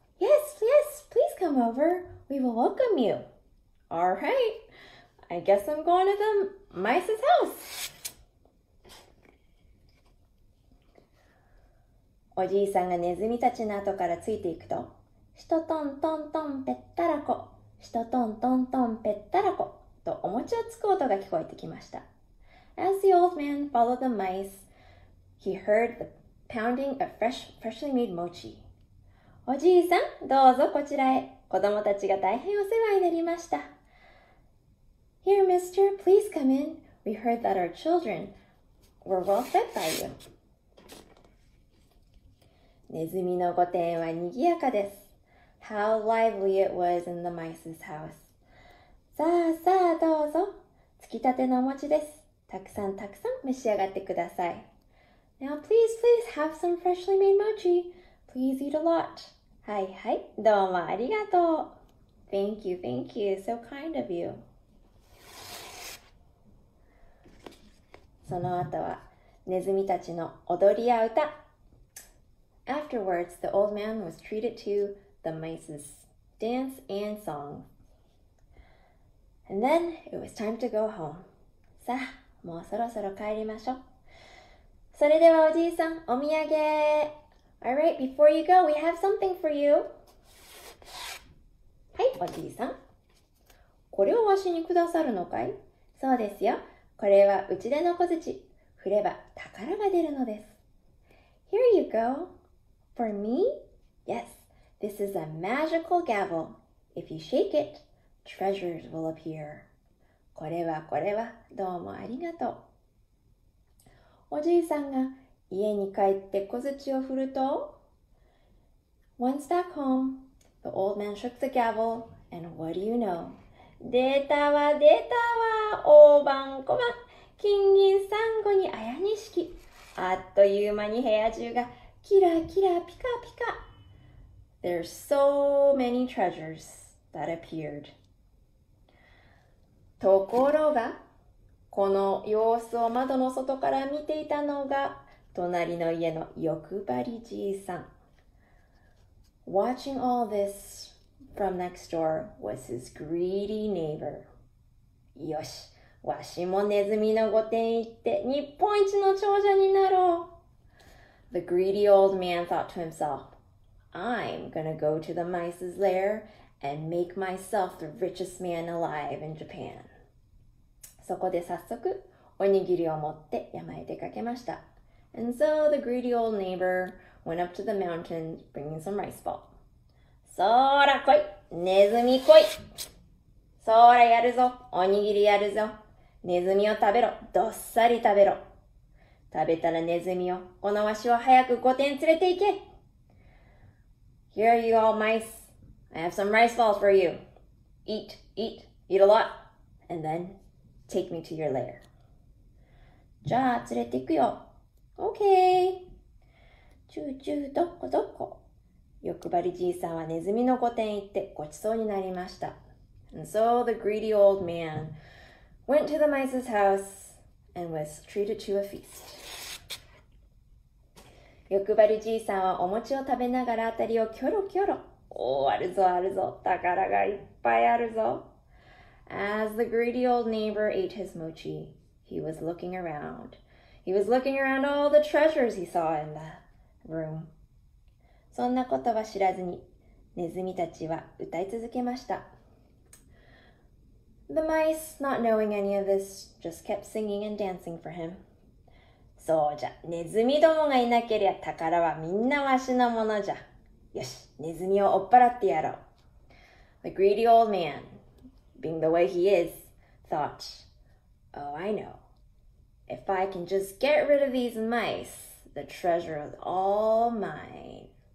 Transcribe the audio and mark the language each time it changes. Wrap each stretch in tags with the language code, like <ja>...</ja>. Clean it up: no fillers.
<en>Yes, yes, please come over. We will welcome you. All right. I guess I'm going to the mice's house.</en> <ja>おじいさんがネズミたちの後からついていくと、シトトントントンペッタラコ、シトトントントンペッタラコとお餅をつく音が聞こえてきました。</ja> <en>As the old man followed the mice, he heard the pounding of freshly made mochi.</en> <ja>おじいさん、どうぞこちらへ。子供たちが大変お世話になりました。</ja> <en>Here, mister, please come in. We heard that our children were well fed by you.</en> <ja>ネズミの御殿はにぎやかです。</ja> <en>How lively it was in the mice's house.</en> <ja>さあさあどうぞ。つきたてのお餅です。たくさんたくさん召し上がってください。</ja> <en>Now, please, please have some freshly made mochi. Please eat a lot.</en> <ja>はいはい、どうもありがとう。</ja> <en>Thank you, thank you. So kind of you.</en> <ja>その後は、ネズミたちの踊りや歌。</ja> <en>Afterwards, the old man was treated to the mice's dance and song. And then, it was time to go home.</en> <ja>さあ、もうそろそろ帰りましょう。それではおじいさん、お土産。</ja> <en>Alright, before you go, we have something for you.</en> <ja>はい、おじいさん。これをわしにくださるのかい？そうですよ。これはうちでの小槌。振れば宝が出るのです。</ja> <en>Here you go. For me? Yes, this is a magical gavel. If you shake it, treasures will appear.</en> <ja>これはこれは、どうもありがとう。おじいさんが、家に帰って小槌を振ると</ja> <en>Once back home, the old man shook the gavel, and what do you know?</en> <ja>出たわ出たわ、大判小判、金銀三五に綾錦。あっという間に部屋中がキラキラピカピカ。</ja> <en>There's so many treasures that appeared.</en> <ja>ところが、この様子を窓の外から見ていたのが隣の家の欲張りじいさん。</ja> <en>Watching all this from next door was his greedy neighbor.</en> <ja>よし、わしもネズミの御殿行って日本一の長者になろう。</ja> <en>The greedy old man thought to himself, I'm gonna go to the mice's lair and make myself the richest man alive in Japan.</en> <ja>そこで早速、おにぎりを持って山へ出かけました。</ja> <en>And so the greedy old neighbor went up to the mountain bringing some rice ball.</en> <ja>そーら来い、ネズミ来い。そーらやるぞ、おにぎりやるぞ。ネズミを食べろ、どっさり食べろ。食べたらネズミを、このわしを早く御殿連れて行け。</ja> <en>Here you all mice. I have some rice balls for you. Eat, eat, eat a lot. and then take me to your lair.</en> <ja>じゃあ連れていくよ。</ja> <en>OK!</en> <ja>チューチューどこどこ。欲張りじいさんはネズミの御殿行ってごちそうになりました。</ja> <en>And so the greedy old man went to the mice's house and was treated to a feast.</en> <ja>欲張りじいさんはお餅を食べながらあたりをキョロキョロ。おー、あるぞあるぞ。宝がいっぱいあるぞ。</ja> <en>As the greedy old neighbor ate his mochi, he was looking around. He was looking around all the treasures he saw in the room.</en> <ja>そんなことは知らずに、ネズミたちは歌い続けました。</ja> <en>The mice, not knowing any of this, just kept singing and dancing for him.</en> <ja>そうじゃ、ネズミどもがいなけりゃ宝はみんなわしのものじゃ。よし、ネズミを追っ払ってやろう。</ja> <en>The greedy old man, being the way he is, thought, Oh, I know. If I can just get rid of these mice, the treasure is all mine.</en>